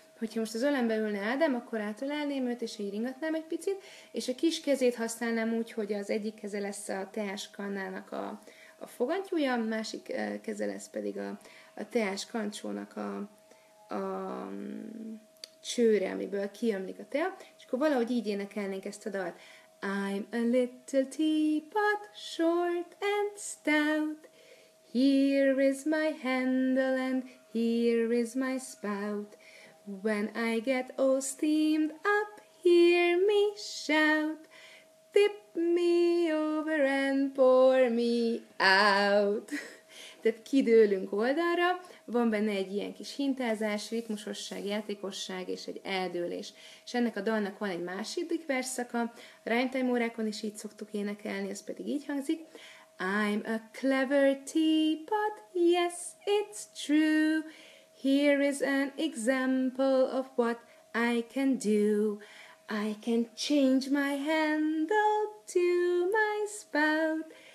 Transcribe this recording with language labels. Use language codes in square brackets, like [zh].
[hu] Hogyha most az ölembe ülne Ádám, akkor átölelném őt, és így ringatnám egy picit, és a kis kezét használnám úgy, hogy az egyik keze lesz a teáskannának a fogantyúja, a másik keze lesz pedig a teás kancsónak a csőre, amiből kiömlik a tea, és akkor valahogy így énekelnénk ezt a dalt. [en] I'm a little teapot, short and stout. Here is my handle and here is my spout. When I get all steamed up, hear me shout. Tip me over and pour me out. [hu] Tehát kidőlünk oldalra, van benne egy ilyen kis hintázás, ritmusosság, játékosság és egy eldőlés. És ennek a dalnak van egy második verszaka, a rhymetime órákon is így szoktuk énekelni, ez pedig így hangzik. [en] I'm a clever teapot, yes, it's true. Here is an example of what I can do. I can change my handle to my spout.